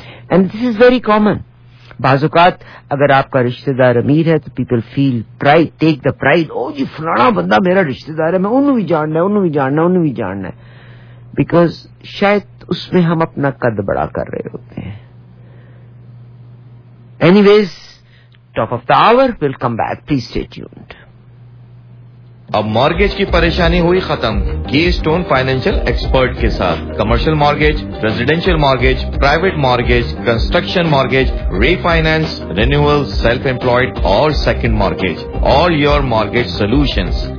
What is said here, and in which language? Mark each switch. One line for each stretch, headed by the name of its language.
English: And this is very common.
Urdu: بعض اوقات اگر آپ کا رشتہ دار امیر ہے تو
English: people feel pride, take the pride,
Urdu: او جی فلانا بندہ میرا رشتہ دار ہے, میں انہوں بھی جاننا ہے, انہوں بھی جاننا ہے, انہوں بھی جاننا ہے, بیکاز شاید اس میں ہم اپنا قد بڑا کر رہے ہوتے ہیں.
English: Anyways, top of the hour, welcome back, please stay tuned.
Urdu: اب مارگیج کی پریشانی ہوئی ختم کی اسٹون فائنینشل ایکسپرٹ کے ساتھ.
English: Commercial mortgage, residential mortgage, private mortgage, construction mortgage, refinance, renewal, self employed اور second mortgage, all your mortgage solutions.